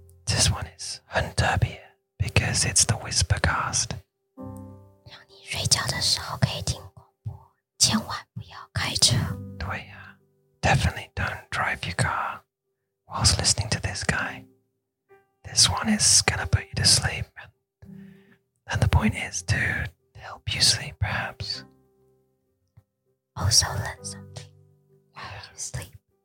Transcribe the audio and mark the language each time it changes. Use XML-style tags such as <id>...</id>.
<en>This one is</en> <zh>很特别,</zh> <en>because it's the Whisper Cast.</en> <zh>让你睡觉的时候可以听广播，千万不要开车。对呀，</zh> <en>definitely don't drive your car whilst listening to this guy. This one is gonna put you to sleep. And the point is to help you sleep, perhaps. Also learn something while you sleep.</en>